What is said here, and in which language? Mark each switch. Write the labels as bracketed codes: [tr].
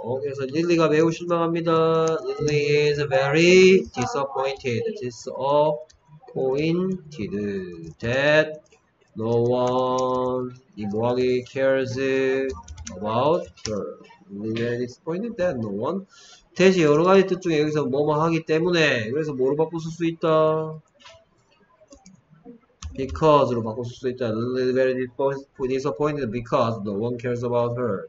[ko] 그래서 릴리가 매우 실망합니다. [en] Lily is very disappointed. Disappointed that no one really cares about her. Lily is disappointed that no one. [ko] 대신 여러 가지 뜻 중에 여기서 뭐뭐 하기 때문에 그래서 뭐로 바꿀 수 있다. Because로 바꿀 수 있다. [en] Lily is very disappointed because no one cares about her.